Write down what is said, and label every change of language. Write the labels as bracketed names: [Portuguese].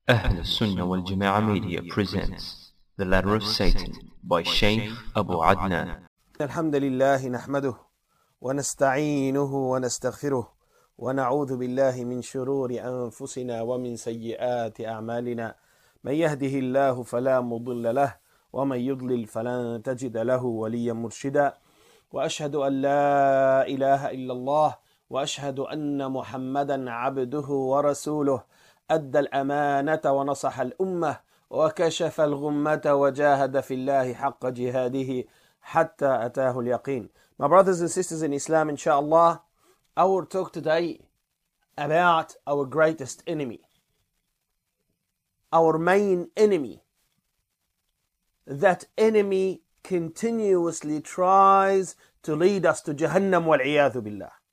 [English] أهل السنة والجماعة media presents The Letter of Satan by Sheikh أبو عدنان. [Arabic] الحمد لله نحمده ونستعينه ونستغفره ونعوذ بالله من شرور أنفسنا ومن سيئات أعمالنا. من يهده الله فلا مضل له ومن يضلل فلن تجد له وليا مرشدا. وأشهد أن لا إله إلا الله وأشهد أن محمدا عبده ورسوله أدى الأمانة ونصح الأمة وكشف الغمة وجاهد في الله حق جهاده حتى أتاه اليقين. [English] My brothers and sisters in Islam, inshallah, our talk today about our greatest enemy, our main enemy. That enemy continuously tries to lead us to Jahannam wal-iyadhu billah.